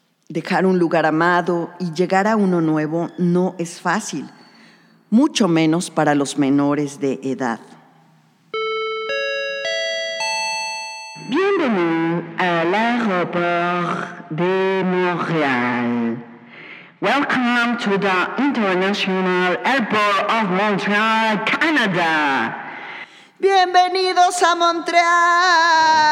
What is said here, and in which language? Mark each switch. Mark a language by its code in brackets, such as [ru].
[es] Dejar un lugar amado y llegar a uno nuevo no es fácil, mucho menos para los menores de edad. Bienvenido al aeropuerto de Montreal. [en] Welcome to the International Airport of Montreal, Canada. [es] Bienvenidos a Montreal.